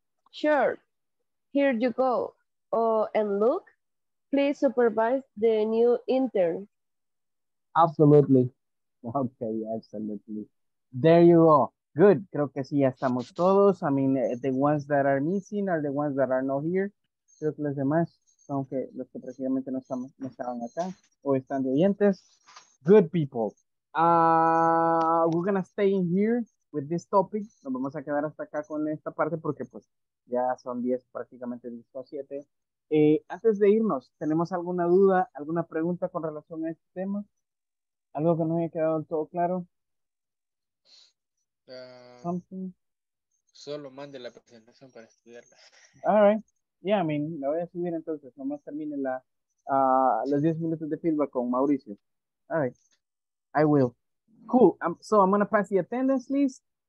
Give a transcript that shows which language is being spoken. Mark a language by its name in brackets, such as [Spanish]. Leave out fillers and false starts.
[English] Sure. Here you go. Oh, and look. Please supervise the new intern. Absolutely. Okay, absolutely. There you go. Good. [Spanish] Creo que sí, ya estamos todos. [English] I mean, the ones that are missing are the ones that are not here. [Spanish] Creo que los demás, aunque los que precisamente no estamos, no estaban acá, o están de oyentes. [English] Good people. We're going to stay in here with this topic. [Spanish] Nos vamos a quedar hasta acá con esta parte porque pues ya son 10, prácticamente 10 o 7. Antes de irnos, ¿tenemos alguna duda, alguna pregunta con relación a este tema? ¿Algo que no haya quedado del todo claro? [English] Something. [Spanish] Solo mande la presentación para estudiarla. [English] All right. Yeah, I mean, [Spanish] la voy a subir entonces. Nomás termine la, los 10 minutos de feedback con Mauricio. [English] All right. I will. Cool. So I'm going to pass the attendance list.